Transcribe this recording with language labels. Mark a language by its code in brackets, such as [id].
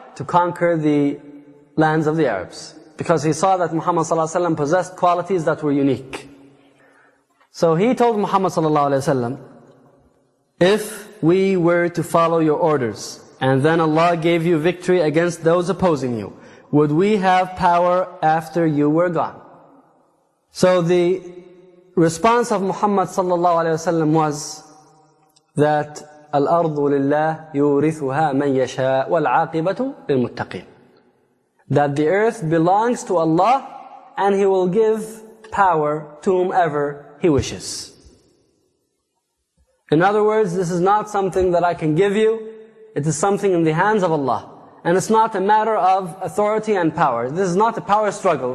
[en] To conquer the lands of the Arabs. Because he saw that Muhammad [ar] صلى الله عليه وسلم [en] possessed qualities that were unique. So he told Muhammad [ar] صلى الله عليه وسلم, [en] if we were to follow your orders, and then Allah gave you victory against those opposing you, would we have power after you were gone? So the response of Muhammad [ar] صلى الله عليه وسلم [en] was that [ar] الأرض لله يورثها من يشاء والعاقبة للمتقين. [en] That the earth belongs to Allah and He will give power to whomever He wishes. In other words, this is not something that I can give you. It is something in the hands of Allah. And it's not a matter of authority and power. This is not a power struggle.